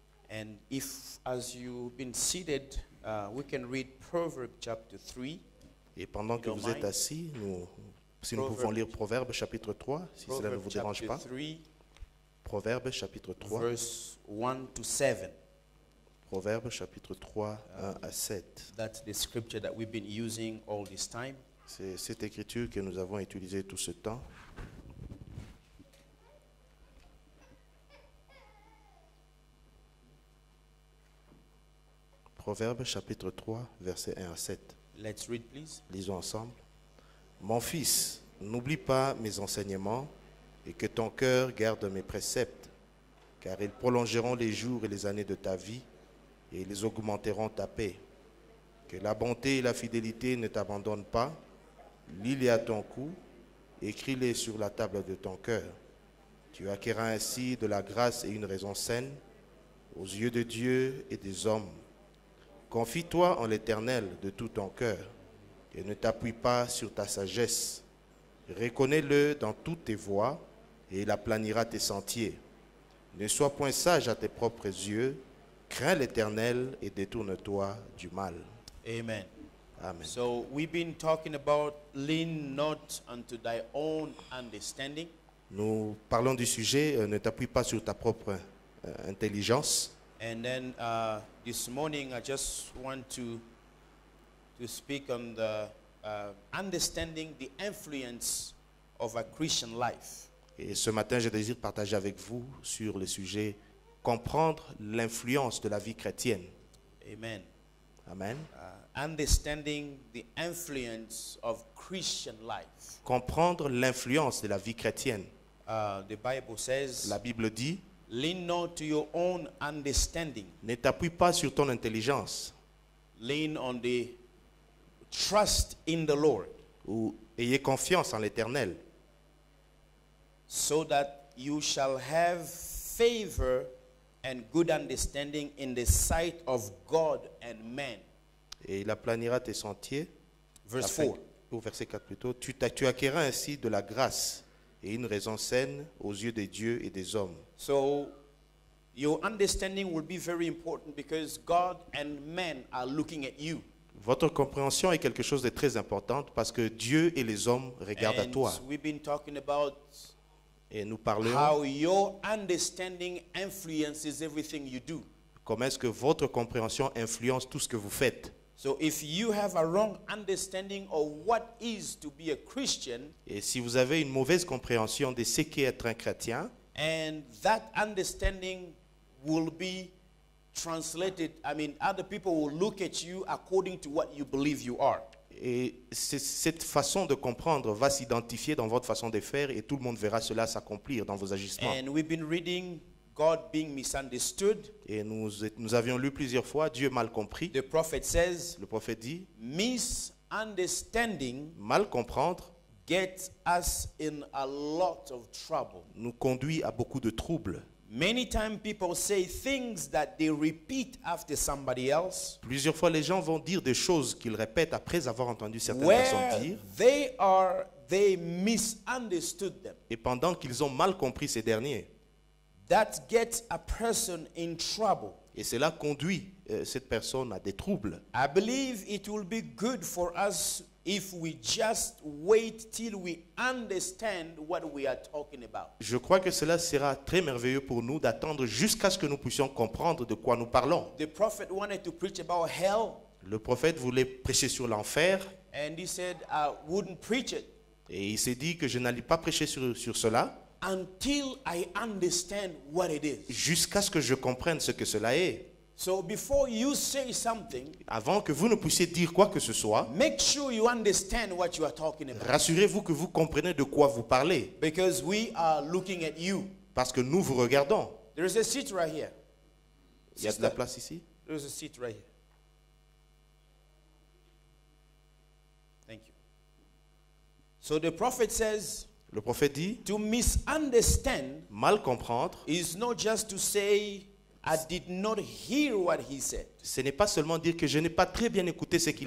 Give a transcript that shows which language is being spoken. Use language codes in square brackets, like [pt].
[en] And if, as you've been seated, we can read Proverbs chapter 3. [fr] Et pendant que vous êtes assis, nous pouvons lire Proverbes chapitre 3, si cela ne vous dérange pas. Proverbes chapitre 3, [en] verse 1 to 7. [fr] Proverbes chapitre 3, 1 à 7. [en] That's the scripture that we've been using all this time. [fr] C'est cette écriture que nous avons utilisée tout ce temps. Proverbes chapitre 3, verset 1 à 7. [en] Let's read, please. [fr] Lisons ensemble. Mon fils, n'oublie pas mes enseignements, et que ton cœur garde mes préceptes, car ils prolongeront les jours et les années de ta vie, et ils augmenteront ta paix. Que la bonté et la fidélité ne t'abandonnent pas, lis-les à ton cou, écris-les sur la table de ton cœur. Tu acquerras ainsi de la grâce et une raison saine aux yeux de Dieu et des hommes. Confie-toi en l'Éternel de tout ton cœur et ne t'appuie pas sur ta sagesse. Reconnais-le dans toutes tes voies et il aplanira tes sentiers. Ne sois point sage à tes propres yeux. Crains l'Éternel et détourne-toi du mal. Amen. Amen. [en] So we've been talking about lean not unto thy own understanding. [fr] Nous parlons du sujet, ne t'appuie pas sur ta propre intelligence. [en] And then this morning I just want to speak on the understanding the influence of a Christian life. [fr] Et ce matin, je désire partager avec vous sur le sujet comprendre l'influence de la vie chrétienne. Amen. Amen. [en] Understanding the influence of Christian life. [fr] Comprendre l'influence de la vie chrétienne. [en] The Bible says, [fr] la Bible dit, [en] lean not to your own understanding. [fr] Ne t'appuie pas sur ton intelligence. [en] Lean on the trust in the Lord. [fr] Ou ayez confiance en l'Éternel. [en] So that you shall have favor and good understanding in the sight of God and men. [fr] Et il aplanira tes sentiers. Verset 4. Tu acquerras ainsi de la grâce et une raison saine aux yeux des dieux et des hommes. [en] So, your understanding will be very important because God and men are looking at you. [fr] Votre compréhension est quelque chose de très important parce que Dieu et les hommes regardent [en] and [fr] à toi. [en] We've been talking about [fr] et nous parlons [en] how your understanding influences everything you do. [fr] Comment est-ce que votre compréhension influence tout ce que vous faites. [en] So if you have a wrong understanding of what is to be a Christian, [fr] et si vous avez une mauvaise compréhension de ce qu'est être un chrétien, [en] and that understanding will be translated, other people will look at you according to what you believe you are. [fr] Et cette façon de comprendre va s'identifier dans votre façon de faire et tout le monde verra cela s'accomplir dans vos agissements. [en] And we've been reading God being misunderstood. [fr] Et nous avions lu plusieurs fois Dieu mal compris. [en] The prophet says, [fr] le prophète dit, [en] misunderstanding [fr] mal comprendre [en] gets us in a lot of trouble. [fr] Nous conduit à beaucoup de troubles. [en] Many times people say things that they repeat after somebody else. [fr] Plusieurs fois les gens vont dire des choses qu'ils répètent après avoir entendu certaines [en] where [fr] personnes dire. [en] They misunderstood them. [fr] Et pendant qu'ils ont mal compris ces derniers. [en] That gets a person in trouble. [fr] Et cela conduit cette personne à des troubles. [en] I believe it will be good for us if we just wait till we understand what we are talking about. [fr] Je crois que cela sera très merveilleux pour nous d'attendre jusqu'à ce que nous puissions comprendre de quoi nous parlons. [en] The prophet wanted to preach about hell. [fr] Le prophète voulait prêcher sur l'enfer. [en] And he said I wouldn't preach it. [fr] Et il s'est dit que je n'allais pas prêcher sur cela. [en] Until I understand what it is. [fr] Jusqu'à ce que je comprenne ce que cela est. [en] So before you say something, [fr] avant que vous ne puissiez dire quoi que ce soit, [en] make sure you understand what you are talking about. [fr] Rassurez-vous que vous comprenez de quoi vous parlez. [en] Because we are looking at you. [fr] Parce que nous vous regardons. [en] There is a seat right here. [fr] Il y a de la place ici. [en] There is a seat right here. Thank you. So the prophet says, [fr] le prophète dit, [en] to misunderstand, [fr] mal comprendre, [en] is not just to say I did not hear what he said. [fr] Ce n'est pas seulement dire que je n'ai pas très bien écouté ce qu'il